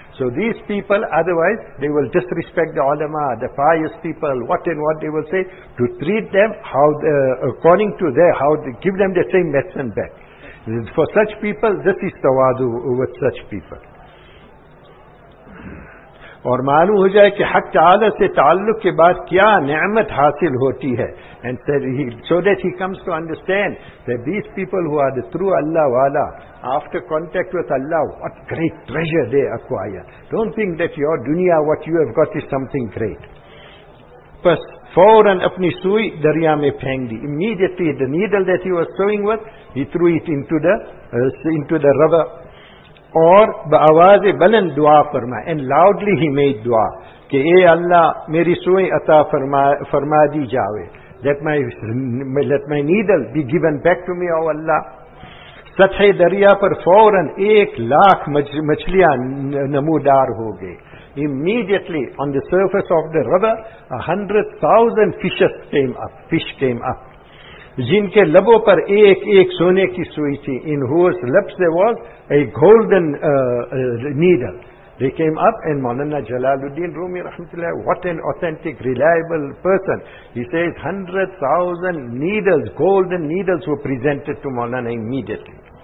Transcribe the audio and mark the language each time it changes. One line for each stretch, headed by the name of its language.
English: So these people, otherwise, they will disrespect the ulama, the pious people, what and what they will say, to treat them how according to their, how they give them the same medicine back. For such people, this is tawadu with such people.
Urdu: اور معلوم ہو جائے کہ حق تعالی سے تعلق کے بعد کیا نعمت حاصل ہوتی ہے.
English: And so that he comes to understand that these people who are the true Allah wala, after contact with Allah, what great treasure they acquire. Don't think that your dunya, what you have got is something great.
Urdu: پس فوراً اپنی سوئی دریا میں پھینک دی.
English: Immediately the needle that he was sewing with, he threw it into the river.
Urdu: اور بآواز بلند دعا فرما.
English: And loudly he made
Urdu: دعا کہ اے اللہ میری سوئیں عطا فرما دی جاوے.
English: Let my needle be given back to me, O Allah.
Urdu: سطح دریا پر فوراً 100,000 مچھلیاں نمودار ہو گئے.
English: Immediately on the surface of the river 100,000 fishes came up.
Urdu: جن کے لبوں پر ایک سونے کی سوئی تھی.
English: In whose lips there was a golden needle. They came up and Maulana Jalaluddin Rumi rahmatullah, what an authentic, reliable person. He says 100,000 needles, golden needles were presented to Maulana immediately.